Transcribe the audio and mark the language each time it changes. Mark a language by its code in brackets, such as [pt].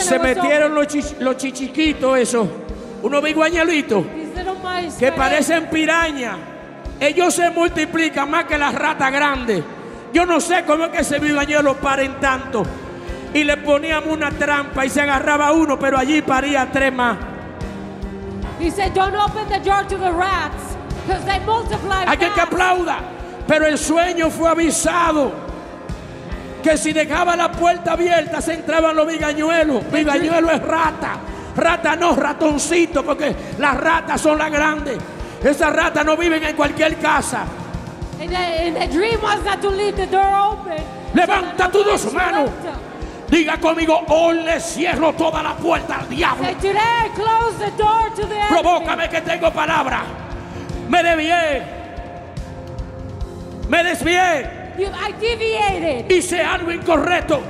[es] se metieron los chichiquitos esos. Unos bigüeñalitos. Que parecen piraña. Ellos se multiplican más que las ratas grandes. Yo no sé cómo es que ese bigüeñuelo paren tanto. Y le poníamos una trampa y se agarraba uno, pero allí paría tres más. [en] He said, don't open the door to the rats, because they multiply. [es] Hay que aplauda. Pero el sueño fue avisado. Que si dejaba la puerta abierta, se entraban los bigüeñuelos. Bigüeñuelo es rata. Rata no, ratoncito, porque las ratas son las grandes. Esas ratas no viven en cualquier casa. [en] And the dream was not to leave the door open. [es] Levanta tus dos manos. Diga conmigo, hoy le cierro toda la puerta al diablo. [en] And today I close the door to the enemy. [es] Provócame que tengo palabra. Me desvié. Me desvié. [en] I deviated. [es] Hice algo incorrecto.